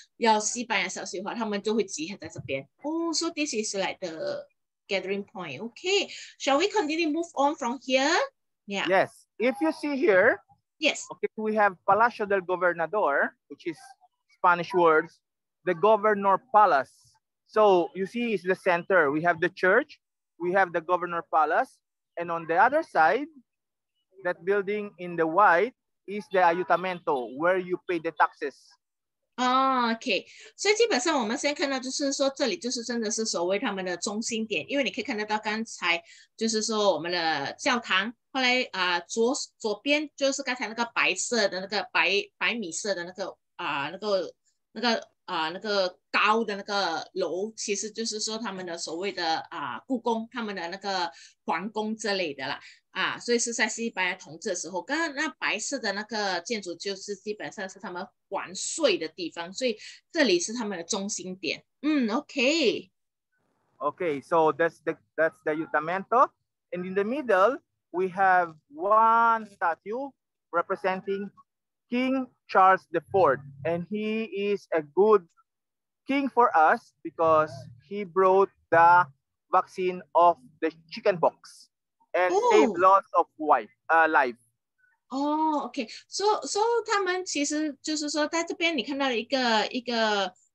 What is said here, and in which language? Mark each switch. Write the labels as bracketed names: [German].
[Chinese] 1500啊，1600啊，1700那个时代，他们基本上是没有报纸的，所以他们呢，如果要交换消息的话，要西班牙消息的话，他们就会集合在这边。 [English] Oh, so this is like the gathering point. Okay, shall we continue move on from here? Yeah. Yes. If you see here. Yes. Okay, we have Palacio del Gobernador, which is Spanish words, the Governor Palace. So you see, it's the center. We have the church, we have the Governor Palace, and on the other side, that building in the white is the Ayuntamiento, where you pay the taxes. Oh, okay. [Chinese] So, 基本上我们先看到就是说，这里就是真的是所谓他们的中心点，因为你可以看得到刚才就是说我们的教堂，后来左边就是刚才那个白色的那个白米色的那个那个高的那个楼，其实就是说他们的所谓的故宫，他们的那个皇宫之类的啦。所以是在西班牙统治的时候，刚刚那白色的那个建筑就是基本上是他们还税的地方，所以这里是他们的中心点。 Okay. [English] Okay, so that's the Ayuntamiento, and in the middle we have one statue representing King Charles IV, and he is a good king for us because he brought the vaccine of the chickenpox and saved lots of life. Oh, okay. [Chinese] So 他们其实就是说在这边你看到一个。